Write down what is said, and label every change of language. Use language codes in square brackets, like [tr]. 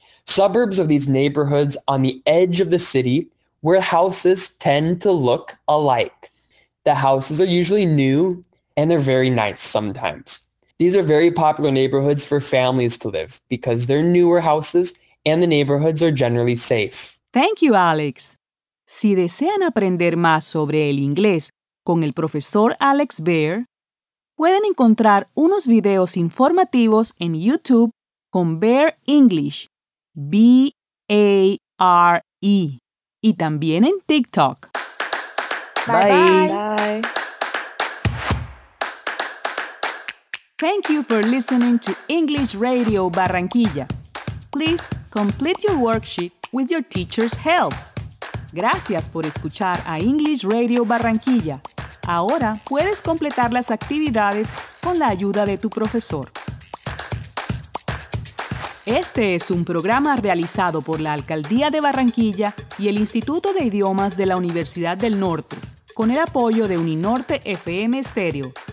[en] Suburbs are these neighborhoods on the edge of the city where houses tend to look alike. The houses are usually new, and they're very nice sometimes. These are very popular neighborhoods for families to live because they're newer houses and the neighborhoods are generally safe. Thank you, Alex. [es] Si desean aprender más sobre el inglés con el profesor Alex Baer, pueden encontrar unos videos informativos en YouTube con Baer English B-A-R-E. Y también en TikTok. [en] Bye. Bye. Bye. Thank you for listening to English Radio Barranquilla. Please complete your worksheet with your teacher's help. [es] Gracias por escuchar a English Radio Barranquilla. Ahora puedes completar las actividades con la ayuda de tu profesor. Este es un programa realizado por la Alcaldía de Barranquilla y el Instituto de Idiomas de la Universidad del Norte, con el apoyo de Uninorte FM Stereo.